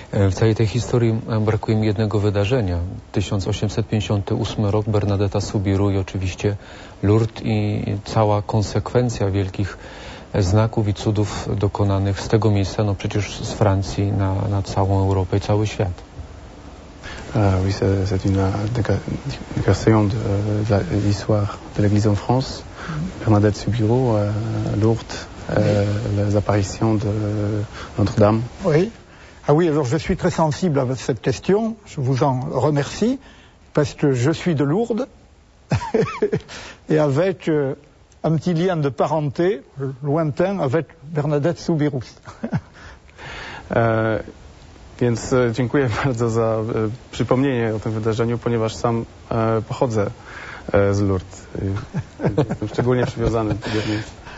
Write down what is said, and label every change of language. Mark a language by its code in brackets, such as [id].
[pl] W całej tej historii brakuje mi jednego wydarzenia. 1858 rok, Bernadetta Soubirous i oczywiście Lourdes i cała konsekwencja wielkich znaków i cudów dokonanych z tego miejsca, no przecież z Francji na całą Europę i cały świat. [fr] Oui, c'est une décassation de l'histoire de l'Église en France. Bernadette Soubirous, Lourdes, les apparitions de Notre-Dame. Oui. Ah oui, alors je suis très sensible à cette question, je vous en remercie, parce que je suis de Lourdes, et avec un petit lien de parenté lointain avec Bernadette Soubirous. [pl] Więc dziękuję bardzo za przypomnienie o tym wydarzeniu, ponieważ sam pochodzę z Lourdes. Jestem szczególnie przywiązany do tego miejsca.